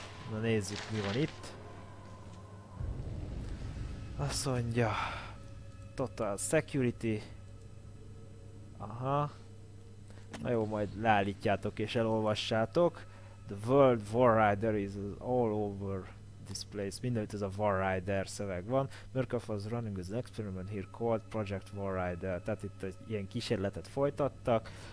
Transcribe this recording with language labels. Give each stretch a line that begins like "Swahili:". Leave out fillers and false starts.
Hungarian: Na nézzük, mi van itt. Azt mondja...
English: Total security.
Hungarian: Aha. Na jó, majd leállítjátok és elolvassátok.
English: The World War Rider is all over this place.
Hungarian: Mindenütt ez a War Rider szöveg van.
English: Murkoff was running an experiment here called Project War Rider.
Hungarian: Tehát itt egy ilyen kísérletet folytattak.